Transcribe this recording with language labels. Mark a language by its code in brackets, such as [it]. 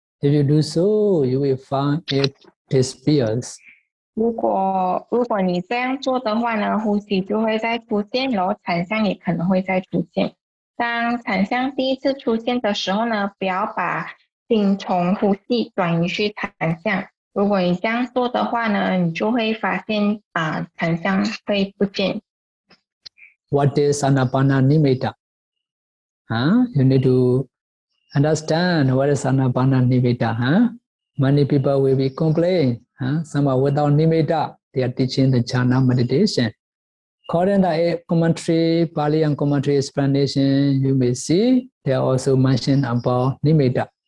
[en] If you do so, you will find it disappears. [zh] 如果你这样做的话呢，呼吸就会再出现，然后禅相也可能会再出现。当禅相第一次出现的时候呢，不要把心从呼吸转移去禅相。如果你这样做的话呢，你就会发现禅相会不见。 [en] What is anapana nimitta? You need to understand what is anapana nimitta, Many people will be complaining, Some are without nimitta. They are teaching the jhana meditation. According to the commentary, Pali and commentary explanation, you may see, they are also mentioned about nimitta.